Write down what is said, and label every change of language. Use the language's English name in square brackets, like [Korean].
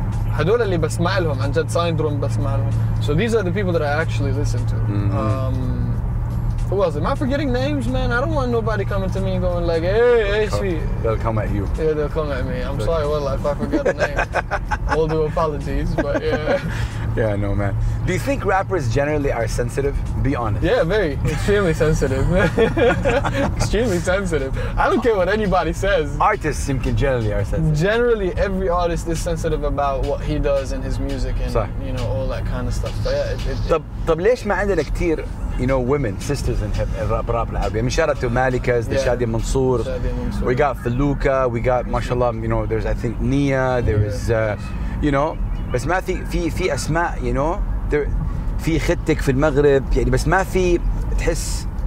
[Arabic] هدول اللي بسمع لهم عن جد Syndrome بسمع لهم. [English] So these are the people that I actually listen to. Mm-hmm. Who else? Am I forgetting names, man? I don't want nobody coming to me and going like, hey, Ashby. They'll come at you. Yeah, they'll come at me. I'm sorry, well, if I forget a name, all due apologies, but yeah. Yeah, I know, man. Do you think rappers generally are sensitive? Be honest. Yeah, very. Extremely sensitive. Extremely sensitive. I don't care what anybody says. Artists seem to generally are sensitive. Generally, every artist is sensitive about what he does in his music and, صح. You know, all that kind of stuff. But yeah, [Arabic] طب ليش ما عندنا كتير [English] You know, women, sisters in rap العربي. I mean, shout out to Malika's, the Shadi Mansour. We got Feluka, we got, mashallah, you know, there's, I think, Nia, there is, you know. [Arabic] بس ما في, في, في أسماء, [English] you know, there, [Arabic] في خدتك في المغرب, يعني بس ما في, تحس.